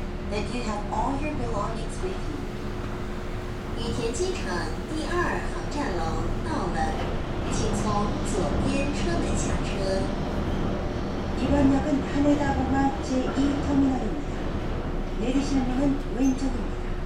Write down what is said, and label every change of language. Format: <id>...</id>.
<en>that you have all your belongings with you.</en> <zh>羽田机场第二航站楼到了，请从左边车门下车。</zh> <ko>이번역은하네다공항제2터미널입니다내리시는문은왼쪽입니다</ko>